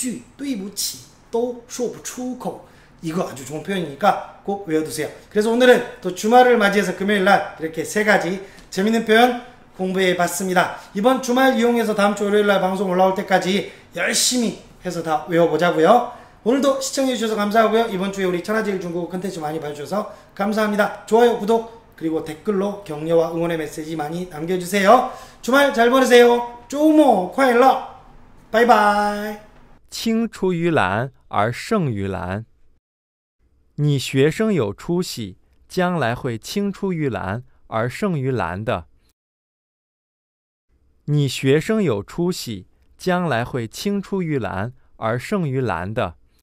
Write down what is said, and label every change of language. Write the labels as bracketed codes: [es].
[zh] 点赞狗嘴里吐不出象牙帮忙就帮忙呗说什么没有常识牙尖嘴利害得我连一句对不起都说不出口 [ko] 이거 아주 좋은 표현이니까 꼭 외워두세요. 그래서 오늘은 또 주말을 맞이해서 금요일날 이렇게 세 가지 재밌는 표현 공부해봤습니다. 이번 주말 이용해서 다음 주 월요일날 방송 올라올 때까지 열심히 해서 다 외워보자고요. 오늘도 시청해주셔서 감사하고요. 이번 주에 우리 천하제일 중국어 컨텐츠 많이 봐주셔서 감사합니다. 좋아요, 구독, 그리고 댓글로 격려와 응원의 메시지 많이 남겨주세요. 주말 잘 보내세요. 조모, 콰일러, 바이바이. [zh] 青出于蓝而胜于蓝。你学生有出息，将来会青出于蓝而胜于蓝的。你学生有出息，将来会青出于蓝而胜于蓝的。